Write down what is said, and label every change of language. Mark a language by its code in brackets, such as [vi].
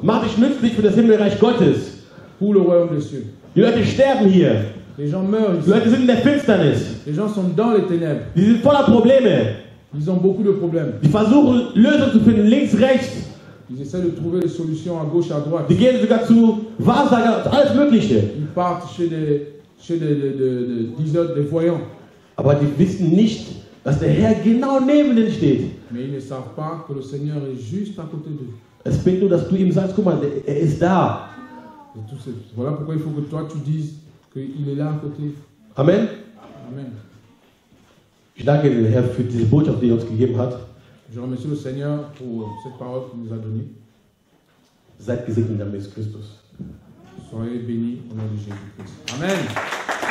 [de] Mach dich nützlich für das Himmelreich Gottes. [fr] Pour le royaume des cieux. [de] Die Leute sterben hier. [fr] Les gens meurent ici. [de] Die Leute sind in der Finsternis. [fr] Les gens sont dans les ténèbres. [de] Die sind voller Probleme. [fr] Ils ont beaucoup de problèmes. [de] Die versuchen Lösungen zu finden, links, rechts. [fr] Ils essaient de trouver des solutions à gauche, à droite. [de] Die gehen sogar zu Wahrsager, alles Mögliche. [fr] Ils partent chez des voyants. [de] Aber die wissen nicht, dass der Herr genau neben ihnen steht. [fr] Mais ils ne savent pas que le Seigneur est juste à côté d'eux. [de] Es bin nur, dass du ihm sagst, guck mal, er ist da. [fr] Et tout c'est, voilà pourquoi il faut que toi tu dises qu'il est là à côté. Amen. Amen. [de] Ich danke dem Herrn für diese Botschaft, die er uns gegeben hat. [fr] Je remercie le Seigneur pour cette parole qu'il nous a donnée. [de] Seid gesegnet, Jésus Christus. [fr] Soyez bénis au nom de Jésus Christ. Amen.